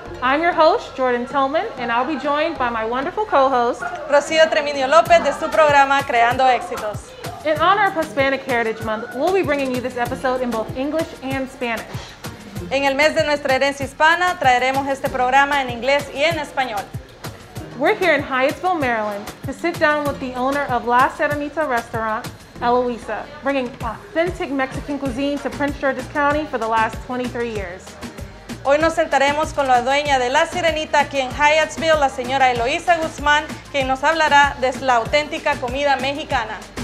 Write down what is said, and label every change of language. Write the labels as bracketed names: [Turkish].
[English] I'm your host, Jordan Tillman, and I'll be joined by my wonderful co-host, [Spanish] Rocío Treminio López, de su programa Creando Éxitos. [English] In honor of Hispanic Heritage Month, we'll be bringing you this episode in both English and Spanish. [Spanish] En el mes de nuestra herencia hispana, traeremos este programa en inglés y en español. [English] We're here in Hyattsville, Maryland, to sit down with the owner of La Serenita Restaurant, Eloisa, bringing authentic Mexican cuisine to Prince George's County for the last 23 years. [Spanish] Hoy nos sentaremos con la dueña de La Serenita aquí en Hyattsville, la señora Eloisa Guzmán, quien nos hablará de la auténtica comida mexicana.